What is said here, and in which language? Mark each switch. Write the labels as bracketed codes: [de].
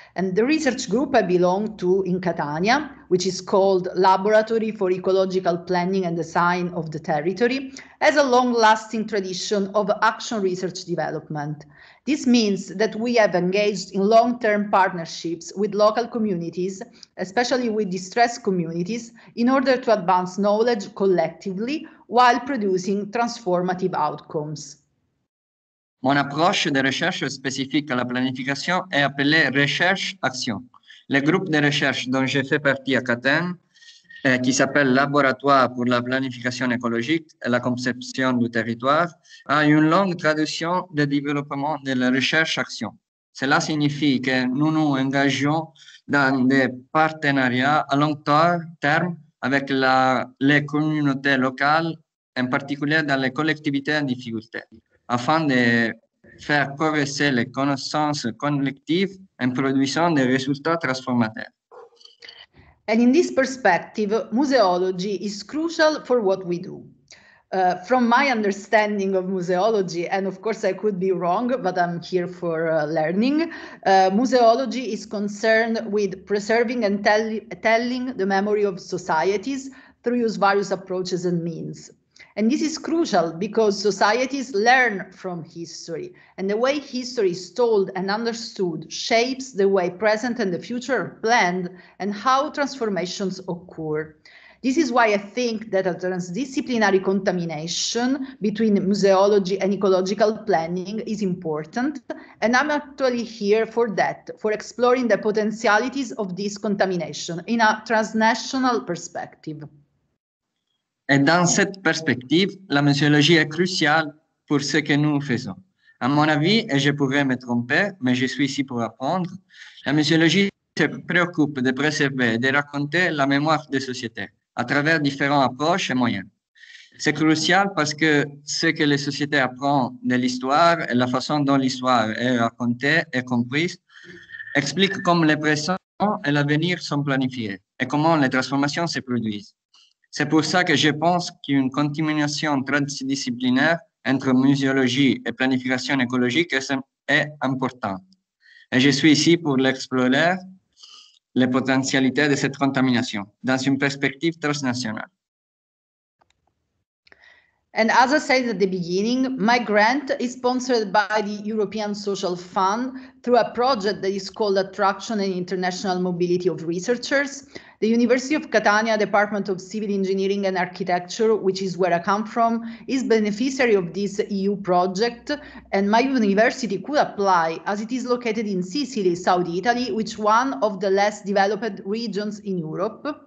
[en] And the research group I belong to in Catania, which is called Laboratory for Ecological Planning and Design of the Territory, has a long-lasting tradition of action research development. This means that we have engaged in long-term partnerships with local communities, especially with distressed communities, in order to advance knowledge collectively while producing transformative outcomes. [fr] Mon approche de recherche spécifique à la planification est appelée recherche-action. Le groupe de recherche dont je fais partie à Catane, qui s'appelle Laboratoire pour la planification écologique et la conception du territoire, a une longue tradition de développement de la recherche-action. Cela signifie que nous nous engageons dans des partenariats à long terme avec les communautés locales, en particulier dans les collectivités en difficulté, afin de faire progresser les connaissances collectives en produisant des résultats transformateurs. [en] And in this perspective, museology is crucial for what we do. From my understanding of museology, and of course I could be wrong, but I'm here for learning, museology is concerned with preserving and telling the memory of societies through use various approaches and means. And this is crucial because societies learn from history, and the way history is told and understood shapes the way present and the future are planned and how transformations occur. This is why I think that a transdisciplinary contamination between museology and ecological planning is important, and I'm actually here for that, for exploring the potentialities of this contamination in a transnational perspective. [fr] Et dans cette perspective, la muséologie est cruciale pour ce que nous faisons. À mon avis, et je pourrais me tromper, mais je suis ici pour apprendre, la muséologie se préoccupe de préserver et de raconter la mémoire des sociétés à travers différentes approches et moyens. C'est crucial parce que ce que les sociétés apprennent de l'histoire et la façon dont l'histoire est racontée et comprise explique comment le présent et l'avenir sont planifiés et comment les transformations se produisent. C'est pour ça que je pense qu'une contamination transdisciplinaire entre muséologie et planification écologique est importante. Et je suis ici pour explorer les potentialités de cette contamination dans une perspective transnationale. [en] And as I said at the beginning, my grant is sponsored by the European Social Fund through a project that is called Attraction and International Mobility of Researchers. The University of Catania Department of Civil Engineering and Architecture, which is where I come from, is beneficiary of this EU project, and my university could apply as it is located in Sicily, South Italy, which is one of the less developed regions in Europe.